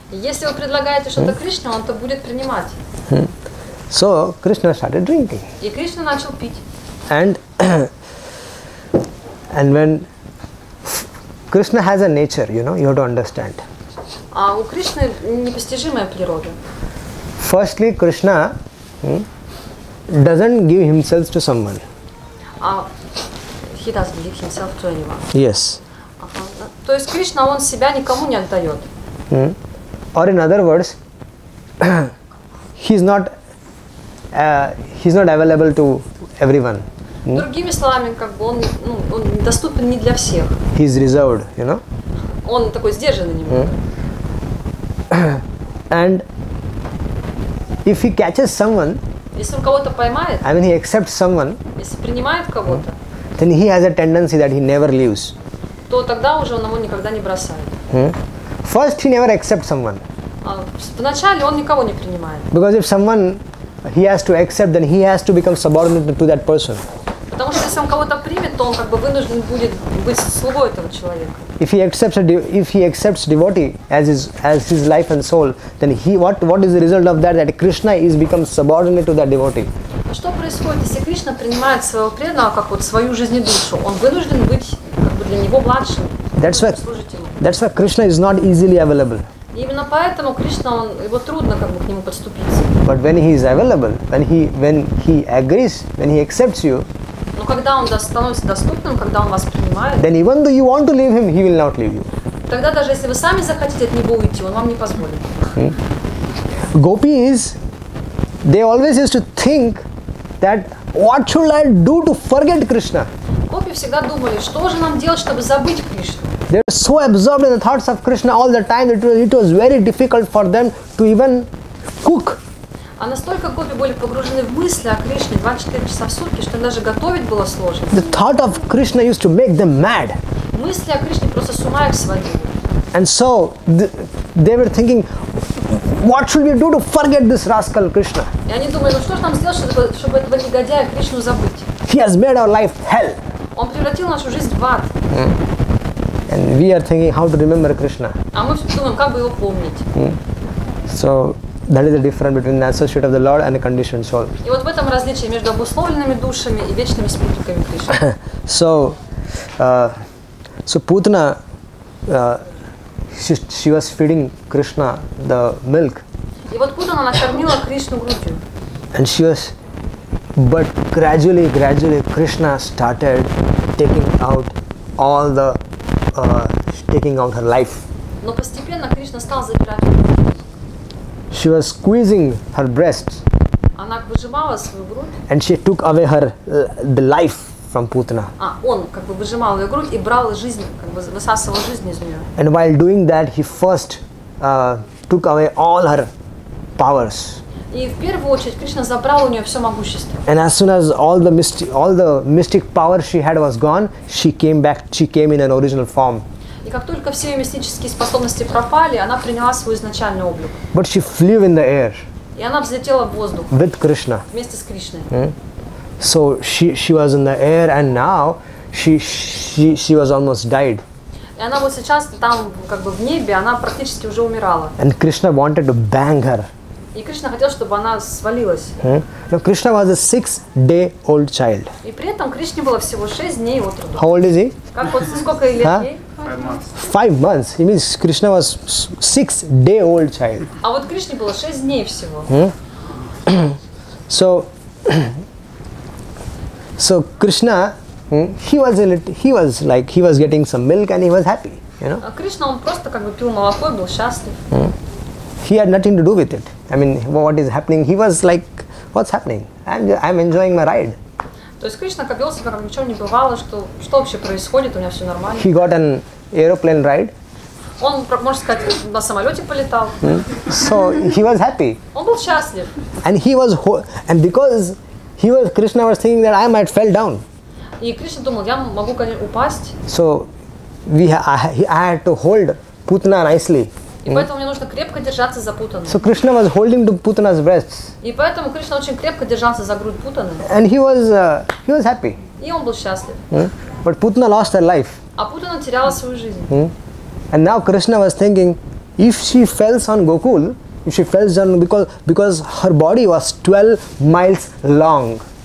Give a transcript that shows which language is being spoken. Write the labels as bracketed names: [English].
[Russian] Если вы предлагаете что-то Кришне, он то будет принимать. [English] So Krishna started drinking. [Russian] И Кришна начал пить. [English] And when Krishna has a nature, you know, you have to understand. [Russian] А у Кришны непостижимая природа. [English] Firstly, Krishna doesn't give himself to someone. He doesn't give himself to anyone. Yes. [Russian] То есть Кришна, он себя никому не отдает. [English] Or in other words, he's not available to everyone. [Russian] Другими словами, как бы он доступен не для всех. [English] He's reserved, you know. [Russian] Он такой сдержанный немного. [English] And if he catches someone, [Russian] если он кого-то поймает, [English] I mean he accepts someone, [Russian] если принимает кого-то, [English] then he has a tendency that he never leaves. [Russian] То тогда уже он его никогда не бросает. [English] First he never accepts someone. [Russian] Вначале он никого не принимает. [English] Because if someone he has to accept, then he has to become subordinate to that person. [Russian] Потому что если он кого-то примет, то он как бы вынужден будет быть слугой этого человека. [English] If he accepts devotee as his life and soul, then what is the result of that Krishna is become subordinate to that devotee? [Russian] Что происходит, если Кришна принимает своего преданного как вот свою жизнь и душу? Он вынужден быть как бы для него младшим. [English] That's why Krishna is not easily available. [Russian] Именно поэтому Кришна, его трудно как бы к нему подступиться. [English] But when he is available, when he agrees, when he accepts you. [Russian] Но когда он становится доступным, когда он вас принимает. [English] Then even though you want to leave him, he will not leave you. [Russian] Тогда даже если вы сами захотите от него уйти, он вам не позволит. [English] Gopis, they always used to think that what should I do to forget Krishna? [Russian] Гопи всегда думали, что же нам делать, чтобы забыть Кришну? [English] They were so absorbed in the thoughts of Krishna all the time that it was very difficult for them to even cook. [Russian] А настолько гопи были погружены в мысли о Кришне 24 часа в сутки, что даже готовить было сложно. [English] The thought of Krishna used to make them mad. [Russian] Мысли о Кришне просто с ума их сводили. [English] And so they were thinking, what should we do to forget this rascal Krishna? [Russian] И они думали, ну что же нам сделать, чтобы этого негодяя Кришну забыть? [English] He has made our life hell. [Russian] Он превратил нашу жизнь в ад. [English] And we are thinking how to remember Krishna. [Russian] А мы все думаем, как бы его помнить. [English] So that is the difference between the associate of the Lord and a conditioned soul. [Russian] И вот в этом различие между обусловленными душами и вечными спутниками Кришны. [English] So Putana, she was feeding Krishna the milk. [Russian] И вот Путана накормила Кришну грудью. [English] And she was, but gradually Krishna started taking out her life. [Russian] Но постепенно Кришна стал забирать. [English] She was squeezing her breasts. [Russian] Она выжимала свою грудь. [English] And she took away her the life from Putana. [Russian] А он как бы выжимал ее грудь и брал жизнь, как бы высасывал жизнь из нее. [English] And while doing that, he first took away all her powers. [Russian] И в первую очередь Кришна забрал у нее все могущество. [English] And as soon as all the mystic power she had was gone, she came back. She came in an original form. [Russian] И как только все ее мистические способности пропали, она приняла свой изначальный облик. [English] But she flew in the air. [Russian] И она взлетела в воздух. [English] With Krishna. [Russian] Вместе с Кришной. [English] So she was in the air and now she was almost died. [Russian] И она вот сейчас там как бы в небе, она практически уже умирала. [English] And Krishna wanted to bang her. [Russian] И Кришна хотел, чтобы она свалилась. [English] Now Krishna was a 6-day-old child. [Russian] И при этом Кришне было всего 6 дней от роду. [English] How old is he? [Russian] Как вот сколько лет ей? [English] 5 months. He means Krishna was 6-day-old child. [Russian] А вот Кришне было 6 дней всего. [English] So Krishna, he was getting some milk and he was happy, you know. [Russian] Кришна, он просто как бы пил молоко и был счастлив. [English] He had nothing to do with it. I mean, what is happening? He was like, what's happening? I'm enjoying my ride. [Russian] То есть Кришна как велся, как ничего не бывало, что вообще происходит, у меня все нормально. [English] He got an aeroplane ride. [Russian] Он, можно сказать, на самолете полетал. [English] So he was happy. [Russian] Он был счастлив. [English] And he was, Krishna was thinking that I might fell down. [Russian] И Кришна думал, я могу, конечно, упасть. [English] So I had to hold Putana nicely. [Russian] И поэтому мне нужно крепко держаться за Путану. [English] So Krishna was holding to Putana's breasts. [Russian] И поэтому Кришна очень крепко держался за грудь Путаны. [English] And he was happy. [Russian] И он был счастлив. [English] But Putana lost her life. [Russian] А Путана теряла свою жизнь. [English] And now Krishna was thinking, if she falls on Gokul, if she falls on, because her body was 12 miles long.